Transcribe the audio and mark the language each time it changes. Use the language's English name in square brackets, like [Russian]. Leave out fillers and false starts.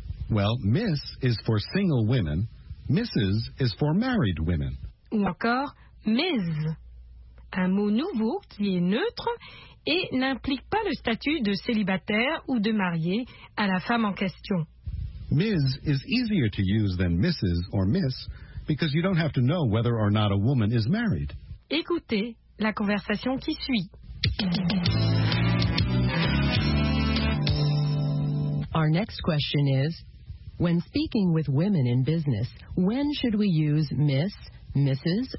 [English] Well, Miss is for single women. Mrs. is for married women. [French] Ou encore, Ms. Un mot nouveau qui est neutre et n'implique pas le statut de célibataire ou de marié à la femme en question. [English] Ms. is easier to use than Mrs. or Miss because you don't have to know whether or not a woman is married. [French] Écoutez la conversation qui suit. [English] Our next question is, when speaking with women in business, when should we use Miss, Mrs.